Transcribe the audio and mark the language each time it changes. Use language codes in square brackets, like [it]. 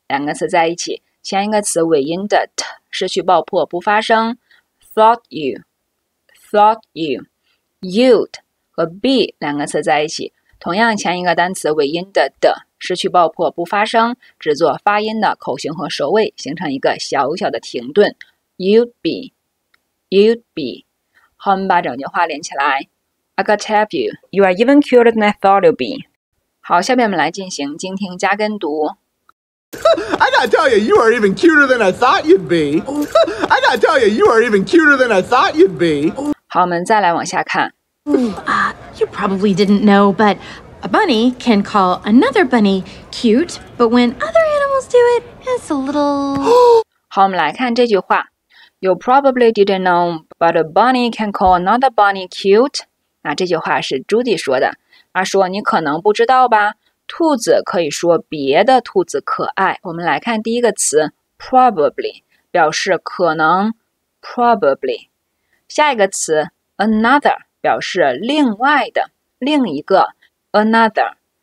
[zh] 两个词在一起，前一个词尾音的 t 失去爆破不发声 ， [en] thought you， thought you， [zh] yield 和 be 两个词在一起，同样前一个单词尾音的 d 失去爆破不发声，只做发音的口型和首尾形成一个小小的停顿 ， [en] you'd be， you'd be， [zh] 好，我们把整句话连起来 ， [en] I gotta tell you， you are even cuter than I thought you'd be。 [zh] 好，下面我们来进行精听加跟读。 [en] I gotta tell you, you are even cuter than I thought you'd be. I gotta tell you, you are even cuter than I thought you'd be. [zh] 好，我们再来往下看。 [en] You probably didn't know, but a bunny can call another bunny cute, but when other animals do it, it's a little. [zh] 好，我们来看这句话。 [en] You probably didn't know, but a bunny can call another bunny cute. [zh] 那这句话是朱迪说的。他说：“你可能不知道吧。” 兔子可以说别的兔子可爱。我们来看第一个词 probably 表示可能 probably。下一个词 another 表示另外的另一个 another。